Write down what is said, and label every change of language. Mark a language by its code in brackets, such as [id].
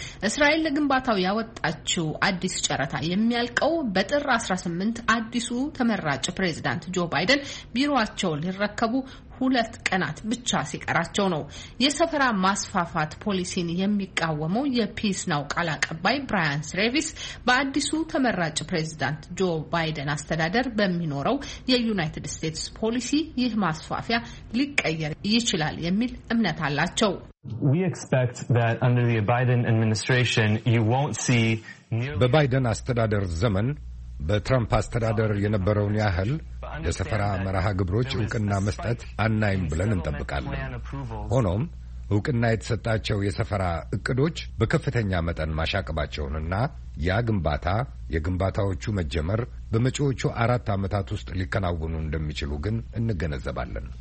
[am] እስራኤል ለግንባታው ያወጣችው አዲስ ጨረታ የሚያልቀው በጥር 18 አዲሱ ተመራጭ ፕሬዚዳንት ጆ ባይደን ቢሮአቸውን ሊረከቡ 2 ቀናት ብቻ ሲቀራቸው ነው። የሰፈራ ማስፋፋት ፖሊሲን የሚቃወመው የፒስ ናው ቃል አቀባይ ብራያን ስሬቪስ በአዲሱ ተመራጭ ፕሬዚዳንት ጆ ባይደን አስተዳደር በሚኖረው የዩናይትድ ስቴትስ ፖሊሲ ይህ ማስፋፊያ ሊቀየር ይችላል የሚል እምነት አላቸው። [en] We expect that under the Biden administration you won't see [am] በባይደን አስተዳደር ዘመን በትራምፕ አስተዳደር የነበረውን ያህል የሰፈራ መርሃ ግብሮች እውቅና መስጠት አናይም ብለን እንጠብቃለን። ሆኖም እውቅና የተሰጣቸው የሰፈራ እቅዶች በከፍተኛ መጠን ማሻቀባቸውና ያ ግንባታ የግንባታዎቹ መጀመር በመጪዎቹ 4 ዓመታት ውስጥ ሊከናወኑ እንደሚችሉ ግን እንገነዘባለን።